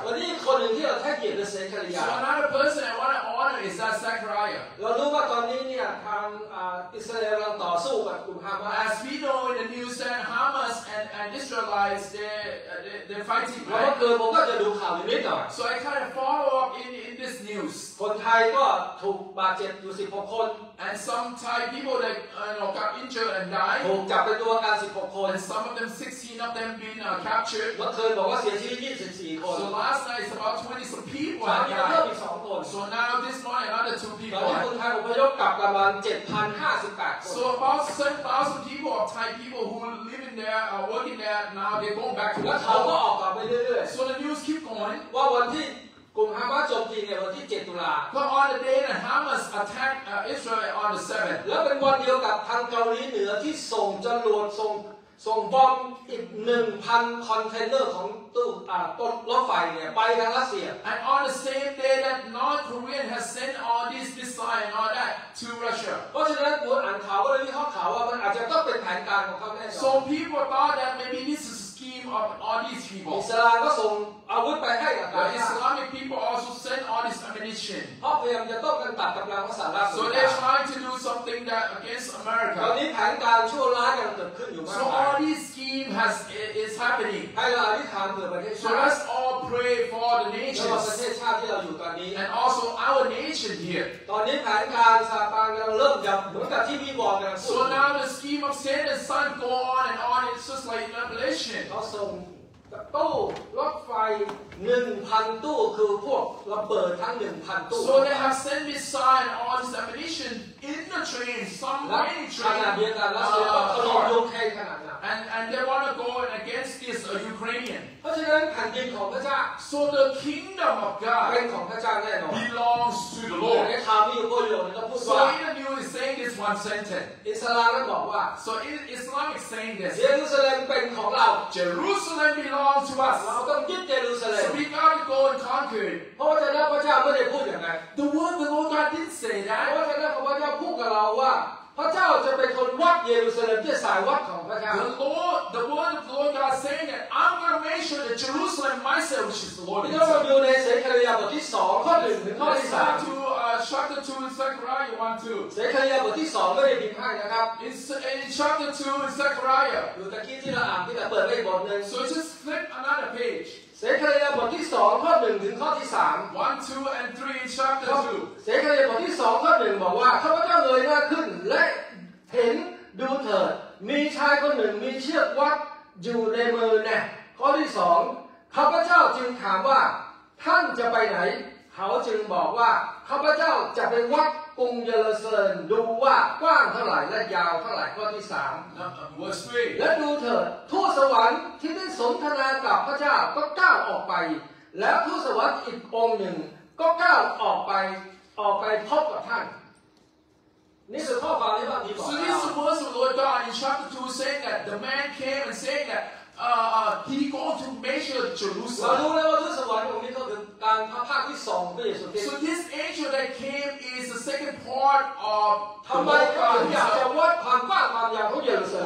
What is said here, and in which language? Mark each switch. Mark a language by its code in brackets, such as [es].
[th] วันนี้คนหนึ่งที่เราให้เกียรติเป็นเซคาริยา [en] So another person I want to honor is that Zechariah [th] เรารู้ว่าตอนนี้เนี่ยทางอิสราเอลต่อสู้กับกลุ่มฮามาส [en] As we know in the news that Hamas and Israelites they fighting [th] แล้วก็เกิดผมก็จะดูข่าวนิดหน่อย [en] So I kind of follow up in this news [th] คนไทยก็ถูกบาดเจ็บอยู่16คน [en] And some Thai people that got injured and died [th] ถูกจับเป็นตัวประกัน16คน [en] And some of them 16 of them been capture [th] เมื่อคืนบอกว่าเสียชีวิต24คน [en] So last night it's about 20 some people [th] ตอนนี้เพิ่มอีก2คน [en] So now this morning another 2 people [th] ตอนนี้คนไทยอพยพกลับประมาณ 7,058 คน [en] So about 7,000 people of Thai people who live in there are working there now they're going back to [th] แล้วเขาก็ออกกลับไปเรื่อยๆ [en] So the news keep going [th] ว่าวันที่กลุ่มฮามาสโจมตีในวันที่7ตุลา [en] So on the day that Hamas attacked Israel on the 7th [th] แล้วเป็นวันเดียวกับทางเกาหลีเหนือที่ส่งจรวดส่งบอมอีก 1,000 คอนเทนเนอร์ของตู้รถไฟเนี่ยไปทางรัสเซีย [en] And on the same day that North Korea has sent all these missiles and all that to Russia [th] เพราะฉะนั้นผมอ่านข่าวก็เลยวิเคราะห์ข่าวว่ามันอาจจะต้องเป็นแผนการของเขาแน่นอน [en] So people thought that maybe this is a scheme of all these people [th] อิสลามก็ส่งอาวุธไปให้กับ อิสลามและ [en] people also sent all this ammunition [th] เพราะพยายามจะต้องการตัดกำลังของสหรัฐ [en] So they trying to do something that against America [th] ตอนนี้แผนการชั่วร้ายกำลังเกิดขึ้นอยู่มาก [en] All this scheme is happening. [th] ให้เราอธิษฐานเผื่อประเทศชาติ [en] So let's all pray for the nation. [th] และประเทศชาติที่เราอยู่ตอนนี้ [en] And also our nation here. [th] ตอนนี้แผนการซาตานกำลังเริ่มยับเหมือนกับที่พี่บอกนะ [en] So now the scheme of Satan and Son go on, it's just like revelation. [th] เขาส่งตู้รถไฟ 1,000 ตู้คือพวกระเบิดทั้ง 1,000 ตู้ [en] So they have sent missiles and all this ammunition in the train, some many train. [th] ขนาดเดียวกันแล้วเขาลงยุคแค่ขนาด [en] And they want to go against this Ukrainian. [th] เพราะฉะนั้นแผ่นดินของพระเจ้า [en] So the kingdom of God [th] เป็นของพระเจ้าแน่นอน [en] belongs to the Lord. [th] ในคำนี้ก็เลยเราพูดว่ า [en] So in the New is saying this one sentence. [th] อิสลามก็บอกว่า [en] So in Islam is saying this. [th] Jerusalem เป็นของเรา [en] Jerusalem belongs to us. [th] เราต้องยึด Jerusalem. [en] So we gotta go and conquer it. [th] เพราะฉะนั้นพระเจ้าไม่ได้พูดอย่างนั้น [en] The word of God didn't say that. [th] เพราะฉะนั้นพระเจ้าพูดกับเราว่าพระเจ้าจะเป็นคนวัดเยรูซาเล็มที่สายวัดของพระเจ้า [en] The Lord, the word of the Lord God is saying that I'm going to make sure that Jerusalem myself which is the Lord. [th] เราจะอยู่ในเซคาริยาบทที่2ข้อ1ถึงข้อ3 [en] To chapter 2 in Zechariah 1 2. [th] เซคาริยาบทที่2ไม่ได้มีภาคนะครับ [en] In chapter 2 in Zechariah. [th] อยู่ตะกี้ที่เราอ่านที่เราเปิดได้บทนึง [en] So just flip another page. [th] เซคาริยาบทที่2ข้อ1ถึงข้อที่3 [en] 1 2 and 3 chapter 2 [th] เซคาริยาบทที่2ข้อ1บอกว่าข้าพเจ้าเงยหน้าขึ้นและเห็นดูเถิดมีชายคนหนึ่งมีเชือกวัดอยู่ในมือแน่ข้อที่2ข้าพเจ้าจึงถามว่าท่านจะไปไหนเขาจึงบอกว่าข้าพเจ้าจะไปวัดกรุงเยรูซาเล็มดูว่ากว้างเท่าไหร่และยาวเท่าไหร่ข้อที่3 [en] Verse 3 [th] และดูเถิดทูตสวรรค์ที่ได้สนทนากับพระเจ้าก็ก้าวออกไปแล้วทูตสวรรค์อีกองค์หนึ่งก็ก้าวออกไปพบกับท่านนี่คือข้อความที่พระองค์บอก [en] So this verse of the Lord God in chapter 2 saying that the man came and saying thatHe go to measure Jerusalem. We know that this is one of the part of the two. So this angel that came is the second part of the Lord God himself.